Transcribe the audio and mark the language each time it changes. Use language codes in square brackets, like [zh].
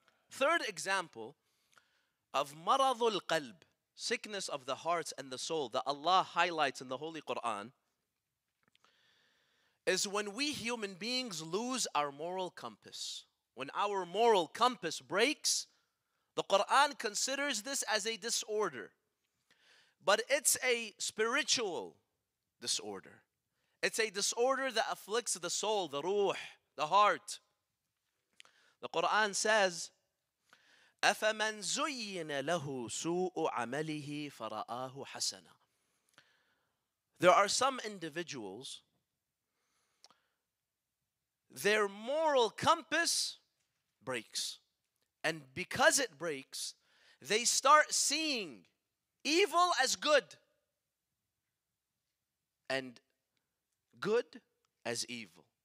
[en] Third example of maradul qalb, sickness of the heart and the soul that Allah highlights in the Holy Quran, is when we human beings lose our moral compass. When our moral compass breaks, the Quran considers this as a disorder. But it's a spiritual disorder. It's a disorder that afflicts the soul, the ruh, the heart. The Quran says, [ar] أَفَمَنْ زُيِّنَ لَهُ سُوءُ عَمَلِهِ فَرَآهُ حَسَنًا. [en] There are some individuals, their moral compass breaks. And because it breaks, they start seeing evil as good and good as evil.